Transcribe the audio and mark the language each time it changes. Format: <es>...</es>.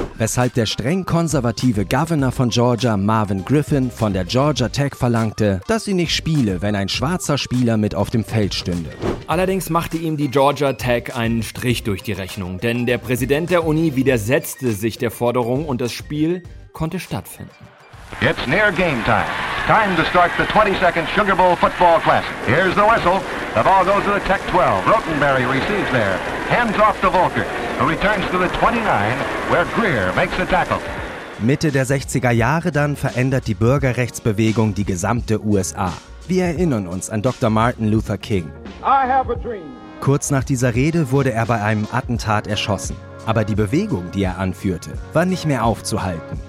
<de>Weshalb der streng konservative Governor von Georgia, Marvin Griffin, von der Georgia Tech verlangte, dass sie nicht spiele, wenn ein schwarzer Spieler mit auf dem Feld stünde. Allerdings machte ihm die Georgia Tech einen Strich durch die Rechnung, denn der Präsident der Uni widersetzte sich der Forderung und das Spiel konnte stattfinden.</de> <en>It's near game time. Time to start the 22nd Sugar Bowl Football Classic. Here's the whistle. The ball goes to the Tech 12. Rotenberry receives there. Hands off to Volker, who returns to the 29, where Greer makes the tackle.</en> <de>Mitte der 60er Jahre dann verändert die Bürgerrechtsbewegung die gesamte USA. Wir erinnern uns an Dr. Martin Luther King.</de> <en>I have a dream.</en> <de>Kurz nach dieser Rede wurde er bei einem Attentat erschossen. Aber die Bewegung, die er anführte, war nicht mehr aufzuhalten.</de>